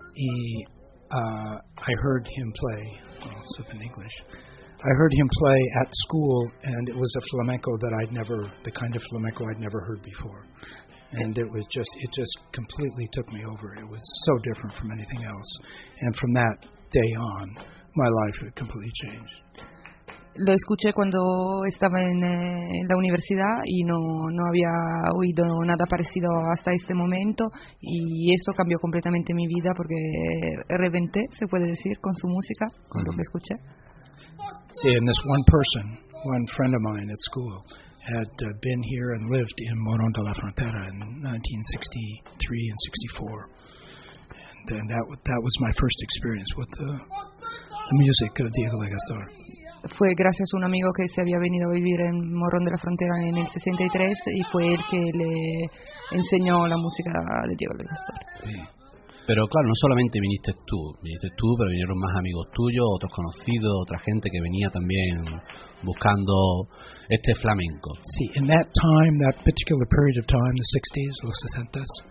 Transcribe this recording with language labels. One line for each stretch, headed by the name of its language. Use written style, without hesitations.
English: y I heard him play, sip in English, I heard him play at school, and it was a flamenco that I'd never, the kind of flamenco I'd never heard before, and it just completely took me over. It was so different from anything else, and from that day on my life had completely changed.
Spanish: Lo escuché cuando estaba en la universidad y no había oído nada parecido hasta este momento, y eso cambió completamente mi vida, porque reventé, se puede decir, con su música, con lo que escuché.
English: Sí, and this one person, one friend of mine at school, had been here and lived in Morón de la Frontera in 1963 and 64. And that was my first experience with the music of Diego de Gastor.
Spanish: Fue gracias a un amigo que se había venido a vivir en Morón de la Frontera en el 63, y fue él que le enseñó la música de Diego de Gastor. Sí. Pero claro, no solamente viniste tú, pero vinieron más amigos tuyos, otros conocidos, otra gente que venía también buscando este flamenco.
English: Sí, in that time, that particular period of time, the 60s,
Spanish: los 60s.